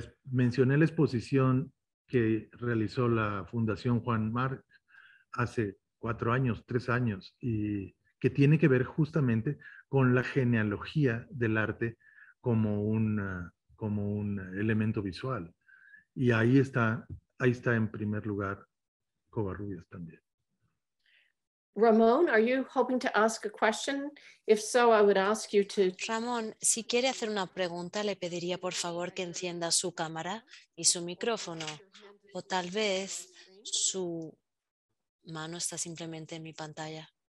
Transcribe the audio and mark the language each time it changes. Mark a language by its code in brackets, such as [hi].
[es] Mencioné la exposición que realizó la Fundación Juan Marc hace 4 años, 3 años, y que tiene que ver justamente con la genealogía del arte como un elemento visual. Y ahí está en primer lugar Covarrubias también. [en] Ramón, are you hoping to ask a question? If so, I would ask you to... [es] Ramón, si quiere hacer una pregunta, le pediría por favor que encienda su cámara y su micrófono. O tal vez su mano está simplemente en mi pantalla.